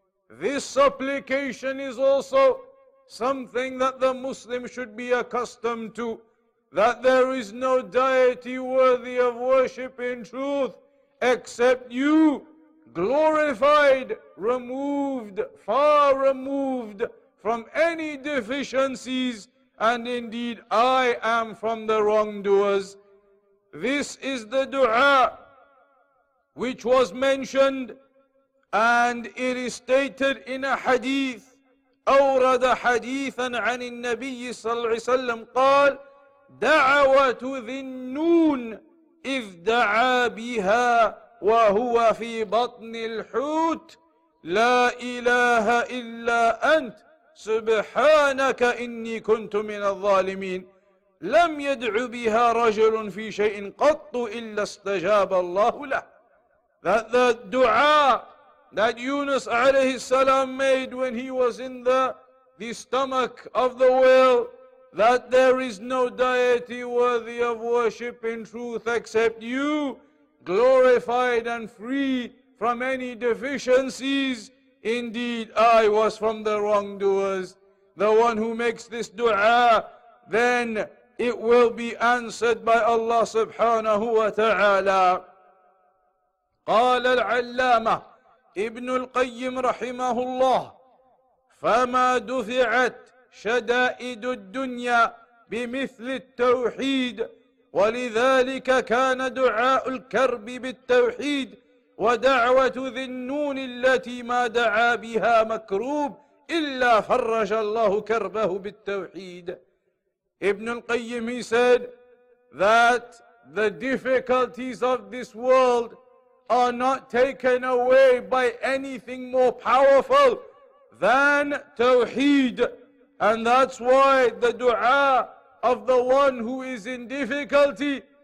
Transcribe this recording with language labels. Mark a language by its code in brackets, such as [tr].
[en] This supplication is also something that the Muslim should be accustomed to, that there is no deity worthy of worship in truth except you, glorified, removed, far removed from any deficiencies, and indeed I am from the wrongdoers. This is the dua which was mentioned, and it is stated in a hadith. [ar] أورد حديثا عن النبي صلى الله عليه وسلم قال دعوة ذي النون إذ دعا بها وهو في بطن الحوت لا إله إلا أنت سبحانك إني كنت من الظالمين. لم يدع بها رجل في شيء قط إلا استجاب الله له. [en] That the dua that Yunus alayhi salam made when he was in the stomach of the whale, that there is no deity worthy of worship in truth except you, glorified and free from any deficiencies, indeed I was from the wrongdoers. The one who makes this dua, then it will be answered by Allah subhanahu wa ta'ala. [ar] Qala al-allama ابن القيم رحمه الله فما دفعت شدائد الدنيا بمثل التوحيد, ولذلك كان دعاء الكرب بالتوحيد ودعوة ذي النون التي ما دعا بها مكروب إلا فرج الله كربه بالتوحيد. [en] ابن القيم, he said that the difficulties of this world are not taken away by anything more powerful than Tawheed. And that's why the dua of the one who is in difficulty,